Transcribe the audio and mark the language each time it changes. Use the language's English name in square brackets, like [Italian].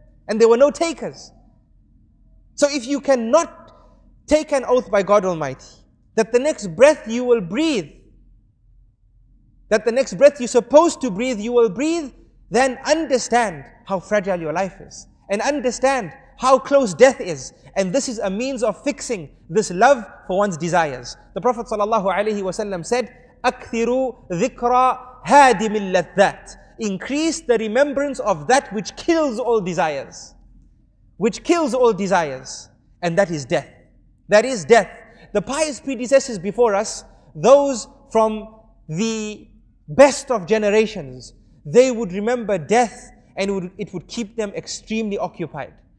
[English] And there were no takers. So if you cannot take an oath by God Almighty that the next breath you will breathe, that the next breath you're supposed to breathe, you will breathe, then understand how fragile your life is. And understand how close death is. And this is a means of fixing this love for one's desires. The Prophet ﷺ said, [Arabic] أَكْثِرُوا ذِكْرَ هَادِمِ اللَّذَّاتِ. [English] Increase the remembrance of that which kills all desires. Which kills all desires. And that is death. That is death. The pious predecessors before us, those from the best of generations, they would remember death and it would keep them extremely occupied.